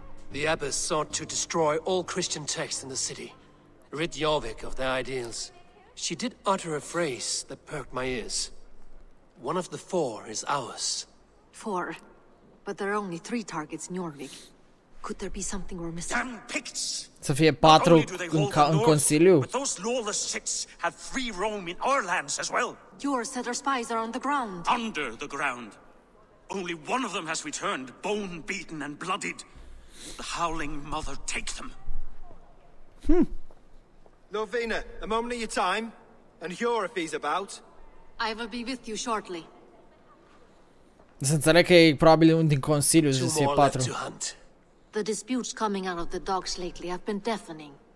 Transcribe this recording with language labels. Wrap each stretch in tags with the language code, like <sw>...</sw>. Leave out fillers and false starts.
<en>The Abyss sought to destroy all Christian texts in the city. Rid Jorvik of their ideals. She did utter a phrase that perked my ears. One of the four is ours. Four? But there are only three targets in Jorvik. Could there be something we're missing? Damn Picts!</en> <ro>Să fie patru în consiliu?</ro> <en>But those lawless Sicts have free roam in our lands as well. Yours said our spies are on the ground. Under the ground. Only one of them has returned, bone beaten and bloodied. The Howling Mother take them. Hmm. Lovina, a moment of your time. And Hure if he's about. I will be with you shortly.</en> <ro>Să înțeleg că e probabil unul din consiliu, zis e patru.</ro> <en>The disputes coming out of the docks lately have been deafening.</en>